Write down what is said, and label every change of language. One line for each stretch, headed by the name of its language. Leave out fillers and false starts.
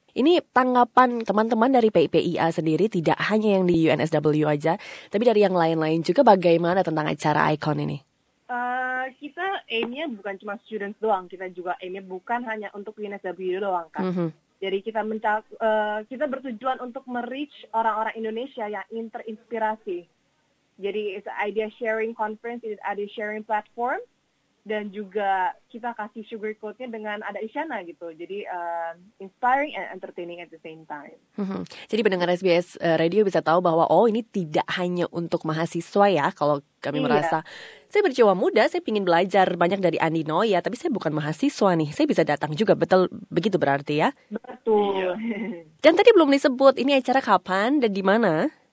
Indonesian: Ini tanggapan teman-teman dari PIPIA sendiri, tidak hanya yang di UNSW aja, tapi dari yang lain-lain juga, bagaimana tentang acara ICON ini? Kita aimnya bukan cuma students doang, kita juga aimnya bukan hanya untuk UNSW doang kan. Mm-hmm. Jadi kita bertujuan untuk mereach orang-orang Indonesia yang terinspirasi.
English: Jadi it's an idea sharing conference, it's an idea sharing platform.
Indonesian: Dan juga kita kasih sugar coat-nya dengan ada Isyana gitu.
English: Jadi inspiring and entertaining at the same time.
Indonesian: Jadi pendengar SBS Radio bisa tahu bahwa, oh ini tidak hanya untuk mahasiswa ya. Kalau kami merasa, saya berjiwa muda, saya ingin belajar banyak dari Andino ya. Tapi saya bukan mahasiswa nih, saya bisa datang juga. Betul, begitu berarti ya? Betul. Dan tadi belum disebut, ini acara kapan dan di mana?